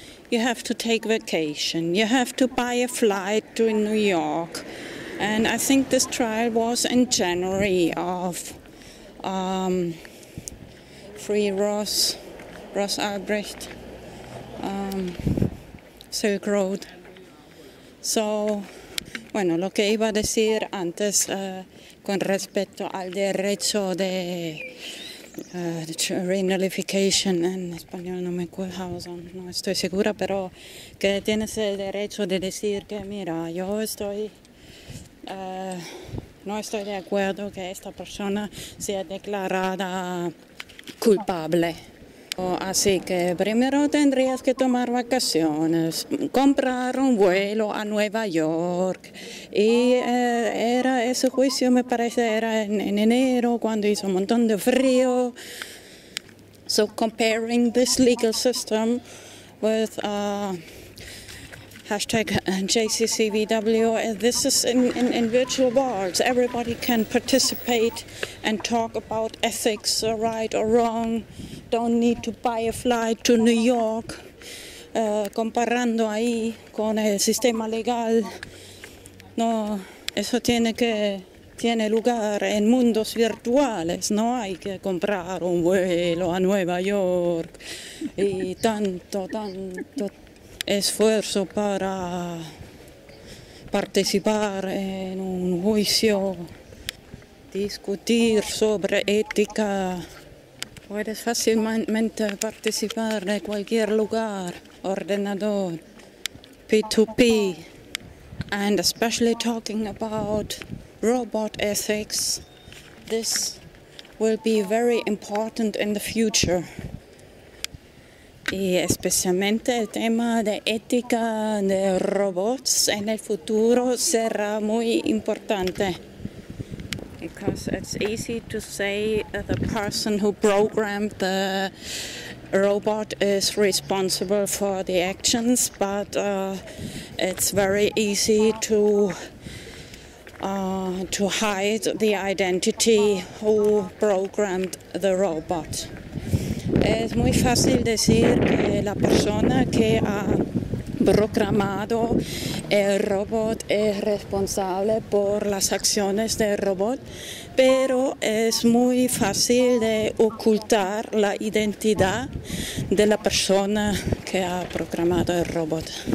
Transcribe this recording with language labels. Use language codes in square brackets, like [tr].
[en] You have to take vacation. You have to buy a flight to New York. And I think this trial was in January of Free Ross Albrecht, Silk Road. [es] So, bueno, lo que iba a decir antes con respecto al derecho de renalification en español no me acuerdo, no estoy segura, pero que tienes el derecho de decir que mira, yo estoy no estoy de acuerdo que esta persona sea declarada culpable. Así que primero tendrías que tomar vacaciones, comprar un vuelo a Nueva York. Y era ese juicio, me parece, era en enero, cuando hizo un montón de frío. [en] So comparing this legal system with hashtag JCCVW, this is in virtual worlds. Everybody can participate and talk about ethics, right or wrong. Don't need to buy a flight to New York. [es] Comparando ahí con el sistema legal, no, eso tiene lugar en mundos virtuales. No hay que comprar un vuelo a Nueva York y tanto esfuerzo para participar en un juicio, discutir sobre ética. Puedes fácilmente participar en cualquier lugar, ordenador, [en] P2P, and especially talking about robot ethics, this will be very important in the future. [es] Y especialmente el tema de ética de robots en el futuro será muy importante. [en] Because it's easy to say that the person who programmed the robot is responsible for the actions, but it's very easy to hide the identity who programmed the robot. [es] Es muy fácil decir que la persona que ha programado el robot es responsable por las acciones del robot, pero es muy fácil de ocultar la identidad de la persona que ha programado el robot.